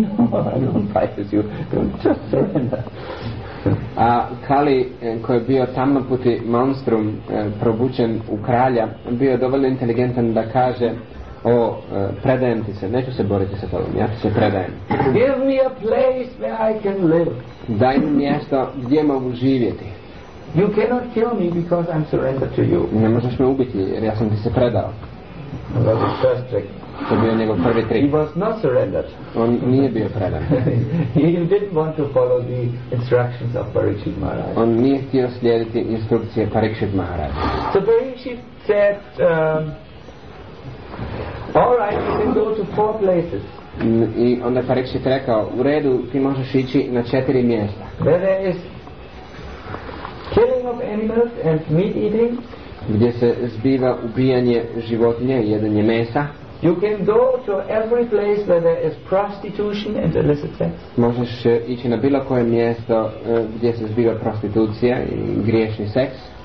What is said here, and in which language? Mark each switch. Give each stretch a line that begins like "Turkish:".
English: No, I don't fight with you. Don't just surrender.
Croatian: A Kali, koji je bio tamnoputi monstrum probućen u kralja, bio dovoljno inteligentan da kaže, o, predajem ti se, neću se boriti sa tobom, ja ti se predajem.
English: Give me a place where I can live.
Croatian: Daj mi mjesto gdje mogu živjeti.
English: You cannot kill me because I'm surrendered to you.
Croatian: Ne možeš me ubiti jer ja sam ti se predao.
English: That was the first trick.
Croatian: To bio njegov prvi trik.
English: He was not surrendered.
Croatian: On nije bio predan.
English: He didn't want to follow the instructions of Parikshit Maharaj.
Croatian: On nije htio slijediti instrukcije Parikshit Maharaj.
English: So Parikshit said, all right, you can go to four places.
Croatian: I onda Parikshit rekao, u redu, ti možeš ići na četiri mjesta.
English: There is killing of animals and meat eating.
Croatian: Gdje se zbiva ubijanje životinja i jedanje mesa.
English: You can go to every place where there is prostitution and illicit sex.
Croatian: Možeš ići na bilo koje mjesto gdje se zbiva prostitucija i griješni seks.